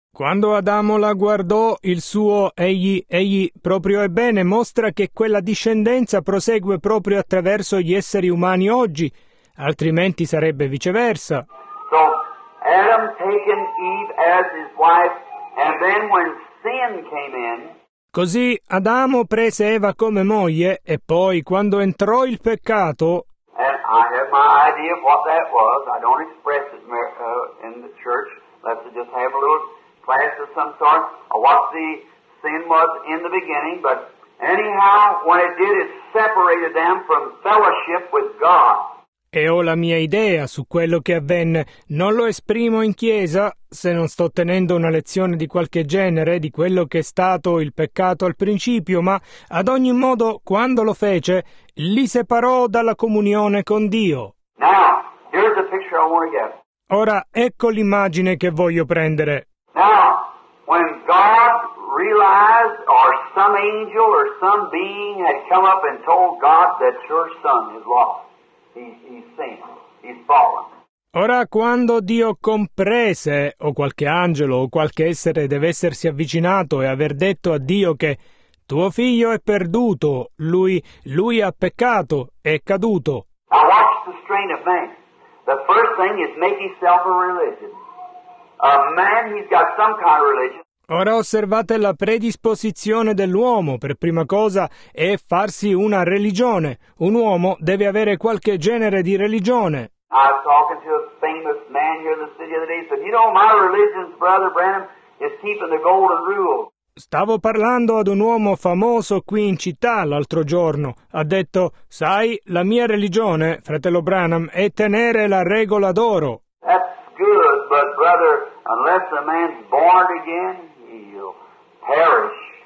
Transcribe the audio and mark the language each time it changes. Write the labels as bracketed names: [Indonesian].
[Italian] Quando Adamo la guardò, il suo egli proprio ebbene mostra che quella discendenza prosegue proprio attraverso gli esseri umani oggi, altrimenti sarebbe viceversa. [English] So Adam taken Eve as his wife, and then when sin came in. [Italian] Così Adamo prese Eva come moglie e poi quando entrò il peccato. [English] And I have my idea of what that was. I don't express it in the church. Let's just have a little class of some sort of what the sin was in the beginning. But anyhow, what it did is separated them from fellowship with God. [Italian] E ho la mia idea su quello che avvenne. Non lo esprimo in chiesa, se non sto tenendo una lezione di qualche genere, di quello che è stato il peccato al principio, ma ad ogni modo, quando lo fece, li separò dalla comunione con Dio. [English] Now, here's the picture I want to get. [Italian] Ora, ecco l'immagine che voglio prendere. [English] Now, when God realized, or some angel or some being had come up and told God that your son is lost. He's fallen. [Italian] Ora, quando Dio comprese, o qualche angelo o qualche essere deve essersi avvicinato e aver detto a Dio che tuo figlio è perduto, lui ha peccato, è caduto. [English] Now watch the strain of man. The first thing is make himself a religion. A man, he's got some kind of religion. [Italian] Ora osservate la predisposizione dell'uomo, per prima cosa è farsi una religione. Un uomo deve avere qualche genere di religione. [English] I was talking to a famous man here in the city the other day. He said, you know, my religion, Brother Branham, is keeping the golden rule. [Italian] Stavo parlando ad un uomo famoso qui in città l'altro giorno. Ha detto, sai, la mia religione, fratello Branham, è tenere la regola d'oro. [English] That's good, but brother, unless a man's born again, he'll perish.